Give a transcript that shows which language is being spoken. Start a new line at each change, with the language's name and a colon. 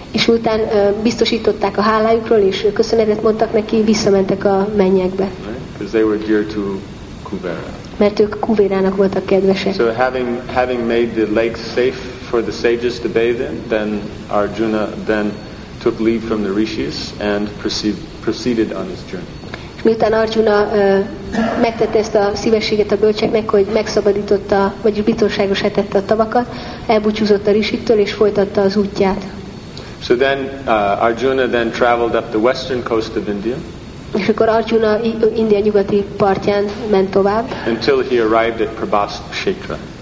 Hungarian: És utána biztosították a hálájukról, és köszönetet mondtak neki, visszamentek a mennyekbe.
English: Because they were dear to Kuvera.
Hungarian: Mert ők Kuvérának voltak kedvesek.
English: So having made the lakes safe for the sages to bathe in, then Arjuna then took leave from the rishis and proceeded on his journey.
Hungarian: Miután Arjuna megtette ezt a szívességet a bölcseknek, hogy megszabadította, vagyis biztonságos helyet a tavakat, elbúcsúzott a rishiktől és folytatta az útját.
English: So then Arjuna then traveled up the western coast of India.
Hungarian: És akkor Arjuna India nyugati partján ment tovább.
English: Until he arrived at Prabhaskshetra.